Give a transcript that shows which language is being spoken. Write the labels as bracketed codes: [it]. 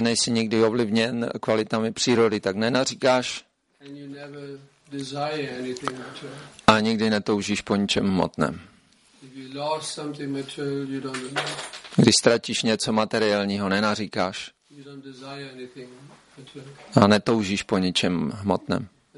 [cs] nejsi nikdy ovlivněn kvalitami přírody, tak nenaříkáš. [en] And you never desire anything material. [cs] A nikdy netoužíš po ničem hmotném. [en] If you lost something material, you don't lament. [cs] Když ztratíš něco materiálního, nenaříkáš. [en] You don't desire anything [cs] a netoužíš po ničem hmotném.